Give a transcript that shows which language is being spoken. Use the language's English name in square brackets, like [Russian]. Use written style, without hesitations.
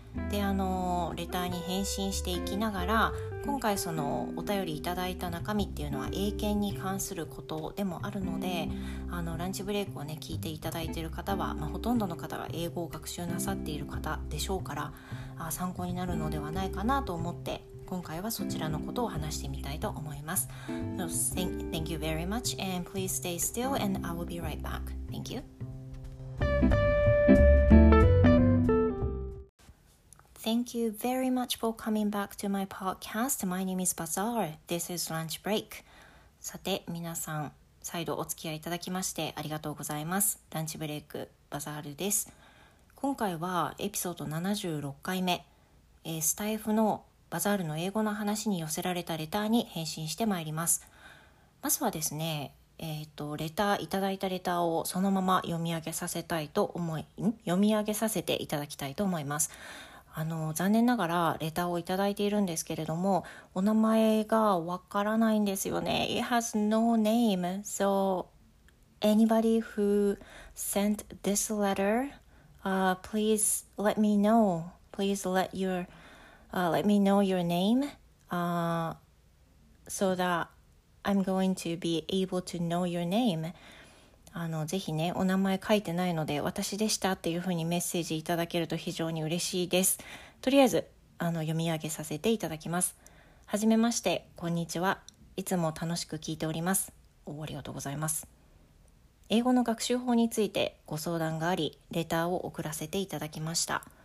[Japanese] でレターに返信していきながら、今回そのお便りいただいた中身っていうのは英検に関することでもあるので、ランチブレイクをね聞いていただいている方は、まあ、ほとんどの方が英語を学習なさっている方でしょうから、参考になるのではないかなと思って、今回はそちらのことを話してみたいと思います。 [English] So, thank you very much and please stay still and I will be right back. Thank you. Thank you very much for coming back to my podcast. My name is Bazaar. This is Lunch Break. [Japanese] さて皆さん、再度お付き合いいただきましてありがとうございます。ランチブレイク、バザールです。今回はエピソード76回目、スタイフのバザールの英語の話に寄せられたレターに返信してまいります。まずはですね、レターいただいたレターをそのまま読み上げさせたいと思い、読み上げさせていただきたいと思います。残念ながらレターをいただいているんですけれども、お名前がわからないんですよね。 [English] It has no name. So anybody who sent this letter, please let me know. Please let me know your name, so that I'm going to be able to know your name. [Japanese] ぜひね、お名前書いてないので、私でしたっていうふうにメッセージいただけると非常に嬉しいです。とりあえず、読み上げさせていただきます。はじめまして、こんにちは。いつも楽しく聞いております。ありがとうございます。英語の学習法についてご相談があり、レターを送らせていただきました。